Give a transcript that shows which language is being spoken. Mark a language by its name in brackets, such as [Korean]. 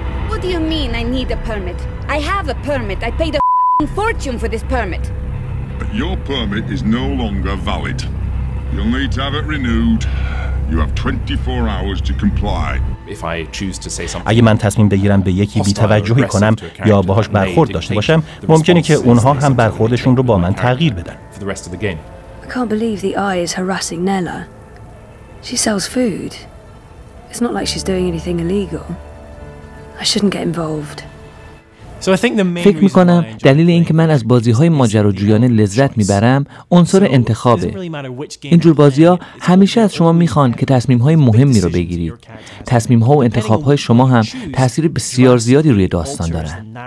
[English] What do you mean I need a permit? I have a permit. I paid a f***ing fortune for this permit. But your permit is no longer valid. You'll need to have it renewed. You have 24 hours to comply. [Persian] اگه من تصمیم بگیرم به یکی بی‌توجهی کنم یا باهاش برخورد داشته باشم، ممکنه که اونها هم برخوردشون رو با من تغییر بدن. [English] I can't believe the eye is harassing Nella. She sells food. It's not like she's doing anything illegal. I shouldn't get involved. [Persian] فکر میکنم دلیل این که من از بازی‌های ماجراجویانه لذت میبرم عنصر انتخابه. اینجور بازی‌ها همیشه از شما میخوان که تصمیم‌های مهمی رو بگیرید. تصمیم‌ها و انتخاب‌های شما هم تأثیر بسیار زیادی روی داستان دارن.